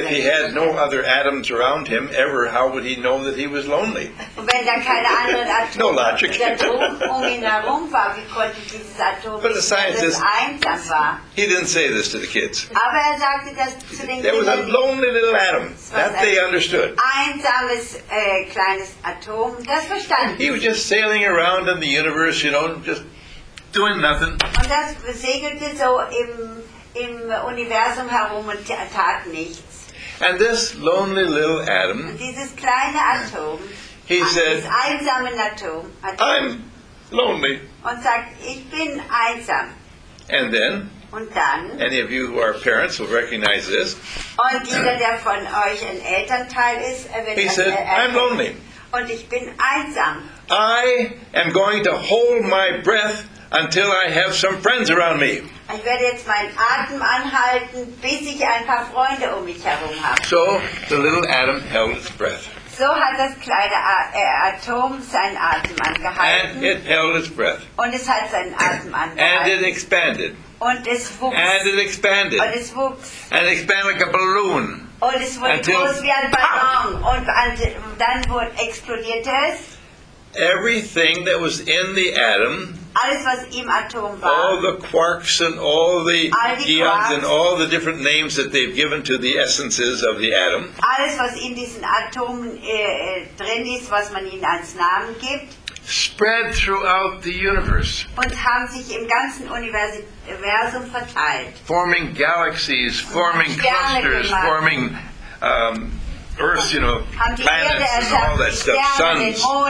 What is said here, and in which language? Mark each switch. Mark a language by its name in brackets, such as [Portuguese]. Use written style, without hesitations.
[English] If he had no other atoms around him ever, how would he know that he was lonely? [German] Wenn da keine anderen Atome [English] no logic. [German] Um ihn herum war, wie konnte dieses Atom, [English] but the scientist, [German] einsam war? [English] He didn't say this to the kids. [German] Aber er sagte das zu den [English] there [German] Kindern. [English] There was a lonely little atom. That they understood. [German] Einsames kleines Atom, das verstanden. [English] He was just sailing around in the universe, you know, just doing nothing. [German] Und das segelte so im Universum herum und tat nichts. [English] And this lonely little atom, [German] und dieses kleine Atom, [English] he said, [German] einsamen Atom, [English] I'm lonely. [German] Und sagt, ich bin einsam. [English] And then, [German] und dann, [English] any of you who are parents will recognize this. [German] Und jeder, der von euch ein Elternteil ist, wird [English] he said, I'm lonely. [German] Und ich bin einsam. [English] I am going to hold my breath until I have some friends around me. [German] Ich werde jetzt meinen Atem anhalten, bis ich ein paar Freunde um mich herum habe. [English] So the little atom held its breath. [German] so hat das kleine Atom seinen Atem angehalten. [English] And it held its breath. [German] Und es hat seinen Atem angehalten. [English] And it expanded. [German] Und es wuchs. [English] And it expanded. [German] Und es wuchs. [English] And it expanded like a balloon. [German] Und es wurde [English] until [German] groß wie ein Ballon. Und dann wurde explodierte es. [English] Everything that was in the atom, [German] alles, was im Atom war, [English] all the quarks and all the gluons and all the different names that they've given to the essences of the atom, [German] alles, was in diesen Atomen drin ist, was man ihnen als Namen gibt, [English] spread throughout the universe [German] und haben sich im ganzen Universum verteilt, [English] forming galaxies, forming clusters, [German] gemacht, [English] forming Earth, you know, planets and all that stuff, suns.